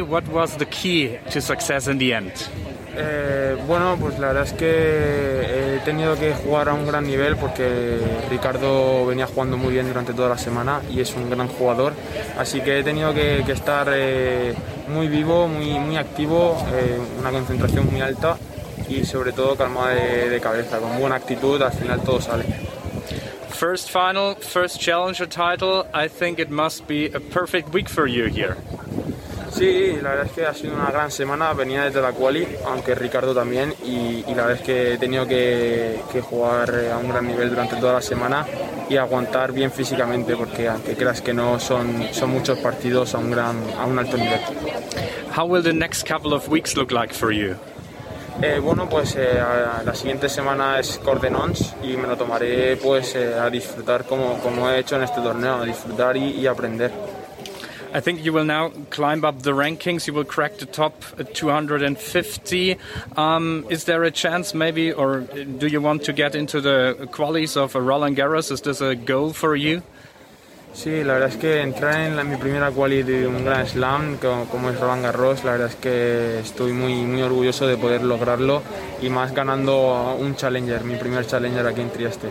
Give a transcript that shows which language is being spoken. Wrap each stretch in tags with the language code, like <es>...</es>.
<en>What was the key to success in the end?</en> <es>Bueno, pues la verdad es que he tenido que jugar a un gran nivel porque Ricardo venía jugando muy bien durante toda la semana y es un gran jugador. Así que he tenido que estar muy vivo, muy, muy activo, una concentración muy alta y sobre todo calma de cabeza. Con buena actitud al final todo sale.</es> <en>First final, first challenger title. I think it must be a perfect week for you here.</en> <es>Sí, la verdad es que ha sido una gran semana. Venía desde la quali, aunque Ricardo también, y la verdad es que he tenido que jugar a un gran nivel durante toda la semana y aguantar bien físicamente, porque aunque creas que no, son muchos partidos a un alto nivel.</es> <en>How will the next couple of weeks look like for you?</en> <es>Bueno, pues la siguiente semana es Cordenons y me lo tomaré pues a disfrutar como he hecho en este torneo, a disfrutar y aprender.</es> <en>I think you will now climb up the rankings, you will crack the top 250. Is there a chance maybe, or do you want to get into the qualies of a Roland Garros? Is this a goal for you?</en> <es>Sí, la verdad es que entrar en mi primera quali de un Grand Slam como es Roland Garros, la verdad es que estoy muy, muy orgulloso de poder lograrlo y más ganando un Challenger, mi primer Challenger aquí en Trieste.</es>